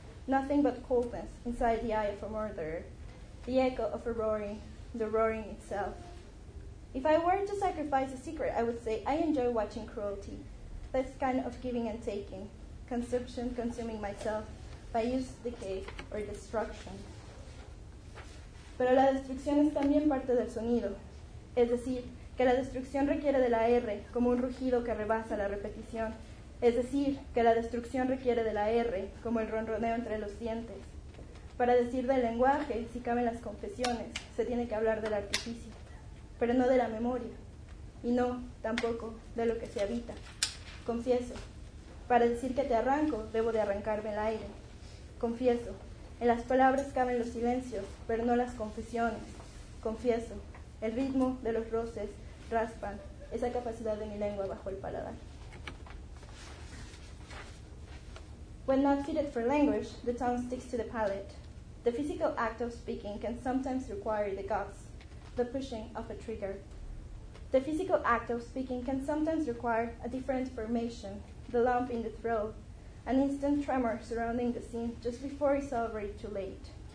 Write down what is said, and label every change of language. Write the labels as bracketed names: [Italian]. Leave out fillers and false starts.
[English] Nothing but coldness inside the eye of a murderer. The echo of a roaring, the roaring itself. If I were to sacrifice a secret, I would say, I enjoy watching cruelty. This kind of giving and taking, consumption consuming myself by use, decay, or destruction. [Spanish] Pero la destrucción es también parte del sonido. Es decir, que la destrucción requiere de la R como un rugido que rebasa la repetición. Es decir, que la destrucción requiere de la R como el ronroneo entre los dientes. Para decir del lenguaje, si caben las confesiones, se tiene que hablar del artificio, pero no de la memoria, y no, tampoco, de lo que se habita. Confieso, para decir que te arranco, debo de arrancarme el aire. Confieso, en las palabras caben los silencios, pero no las confesiones. Confieso, el ritmo de los roces raspan esa capacidad de mi lengua bajo el paladar. [English] When not fitted for language, the tongue sticks to the palate. The physical act of speaking can sometimes require the guts, the pushing of a trigger. The physical act of speaking can sometimes require a different formation, the lump in the throat, an instant tremor surrounding the scene just before it's already too late.